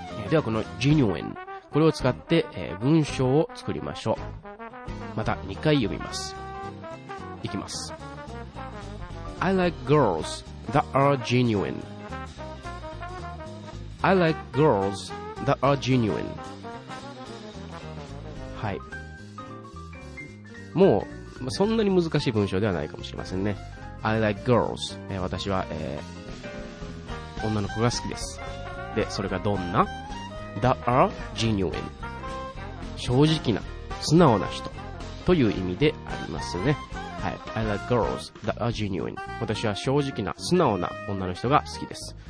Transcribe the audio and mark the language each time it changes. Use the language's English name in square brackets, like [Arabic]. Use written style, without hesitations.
[Japanese] ではこの genuine、 これを使って、文章を作りましょう。また2回読みます。いきます。 [English] I like girls that are genuine. I like girls that are genuine. [Japanese] はい、もうそんなに難しい文章ではないかもしれませんね。 [English] I like girls、 [Japanese] 私は、女の子が好きです。でそれがどんな [English] That are genuine、 [Japanese] 正直な素直な人という意味でありますね、はい、 [English] I like girls that are genuine、 [Japanese] 私は正直な素直な女の人が好きです。